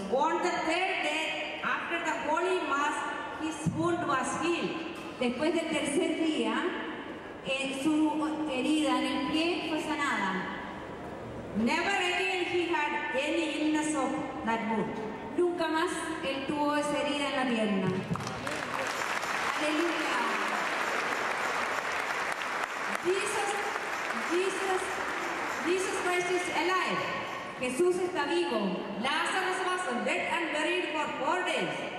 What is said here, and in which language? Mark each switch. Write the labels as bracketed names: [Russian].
[English] On the third day, after the holy mass, his wound was healed. [Spanish] Después del tercer día, su herida en el pie fue sanada. [English] Never again he had any illness of that wound. [Spanish] Nunca más él tuvo esa herida en la pierna. Aleluya. [English] Jesus Christ is alive. [Spanish] Jesús está vivo. [English] Lazarus was dead and buried for 4 days.